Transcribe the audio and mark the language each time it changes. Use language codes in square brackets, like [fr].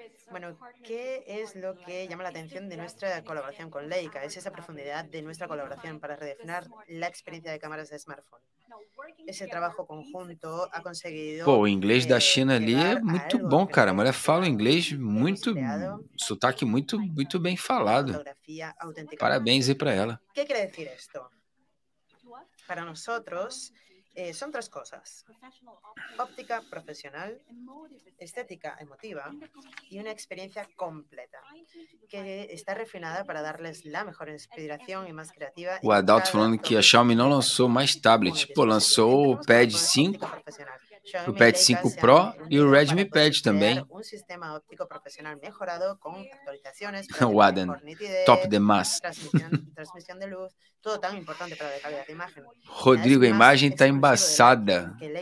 [es] Bueno, ¿qué es lo que llama la atención de nuestra colaboración con Leica? Es esa profundidad de nuestra colaboración para redefinir la experiencia de cámaras de smartphone. Ese trabajo conjunto ha conseguido... [pt] Pô, o inglês da China ali é muito bom, cara. A mulher fala o inglês muito... Sotaque muito, muito bem falado. Parabéns aí para ela. [es] ¿Qué quiere decir esto? Para nosotros... son tres cosas: óptica profesional, estética emotiva y una experiencia completa que está refinada para darles la mejor inspiración y más creativa. [pt] O Adalto falando que a Xiaomi não lançou mais tablet. Pô, lançou o Pad 5, o Pad 5 Pro e o Redmi Pad também. [es] Un sistema óptico profesional mejorado con actualizaciones. [pt] O Aden, top demais. [es] Transmisión de luz, todo tan importante para la calidad de imagen. [pt] Rodrigo, a imagem está embaçada.